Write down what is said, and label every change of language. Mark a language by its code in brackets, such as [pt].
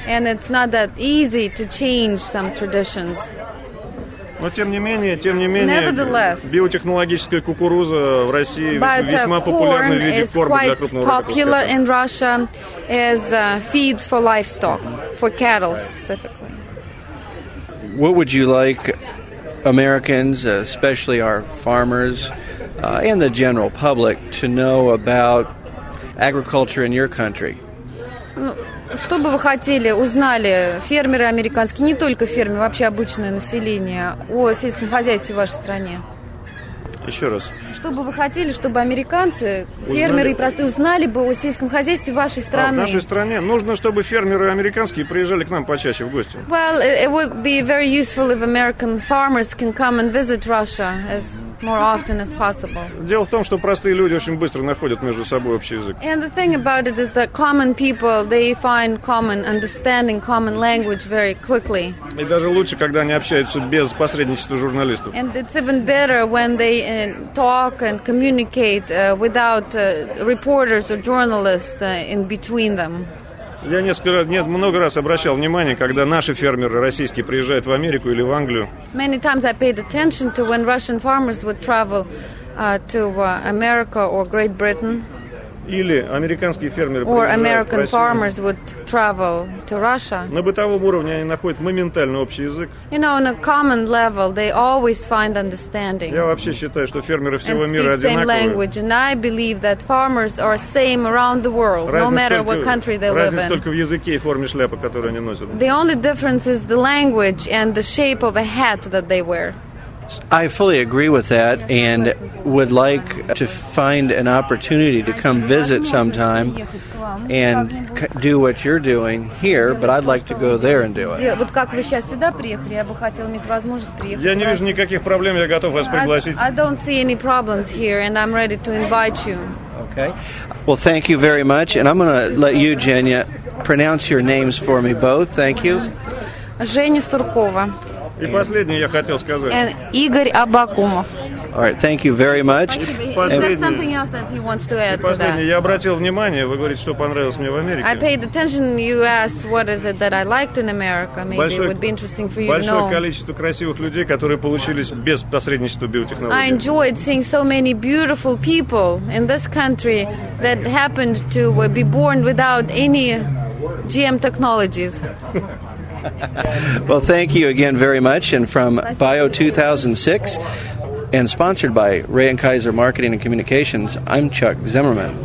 [en] And it's not that easy to change some traditions. [ru] Но тем не менее, биотехнологическая кукуруза в России весьма популярна в виде корма для крупного рогатого скота. [en] Popular in Russia as feeds for livestock, for cattle specifically. What would you like Americans, especially our farmers, and the general public to know about agriculture in your country? [ru] Что бы вы хотели, узнали фермеры американские, не только фермеры, вообще обычное население, о сельском хозяйстве в вашей стране? Еще раз. Что бы вы хотели, чтобы американцы, фермеры и простые, узнали бы о сельском хозяйстве вашей страны? А в нашей стране нужно, чтобы фермеры американские приезжали к нам почаще в гости. [en] Well, it would be very useful if American farmers can come and visit Russia as more often as possible. [ru] Дело в том, что простые люди очень быстро находят между собой общий язык. [en] And the thing about it is that common people, they find common understanding, common language very quickly. [ru] И даже лучше, когда они общаются без посредничества журналистов. [en] And it's even better when they talk and communicate without reporters or journalists in between them. [ru] Я несколько раз, нет, много раз обращал внимание, когда наши фермеры российские приезжают в Америку или в Англию. [en] Many times I paid attention to when Russian farmers would travel to America or Great Britain. [ru] Или американские фермеры приезжают в Россию. [en] Or American farmers would travel to Russia. [ru] На бытовом уровне они находят моментально общий язык. [en] You know, on a common level, they always find understanding. [ru] Я вообще считаю, что фермеры всего мира одинаковые. [en] And speak same language. And I believe that farmers are same around the world, no matter what country they live in. [ru] Разница только в языке и форме шляпы, которую они носят. [en] The only difference is the language and the shape of a hat that they wear. I fully agree with that and would like to find an opportunity to come visit sometime and do what you're doing here, but I'd like to go there and do it. [ru] Вот как вы сейчас сюда приехали, я бы хотела иметь возможность приехать. Я не вижу никаких проблем, я готов вас пригласить. [en] I don't see any problems here and I'm ready to invite you. Okay. Well, thank you very much, and I'm going to let you, Женя, pronounce your names for me both. Thank you. [ru] Женя Суркова. И последнее я хотел сказать. [en] And Игорь Абакумов. All right, thank you very much. [ru] Последнее, я обратил внимание, вы говорите, что понравилось мне в Америке. [en] I paid attention, you asked what is it that I liked in America. Maybe [ru] большое, [en] it would be interesting for you [ru] большое [en] to know. [ru] Большое количество красивых людей, которые получились без посредничества биотехнологии. [en] I enjoyed seeing so many beautiful people in this country that happened to be born without any GM technologies. Well, thank you again very much. And from Bio 2006 and sponsored by Ray and Kaiser Marketing and Communications, I'm Chuck Zimmerman.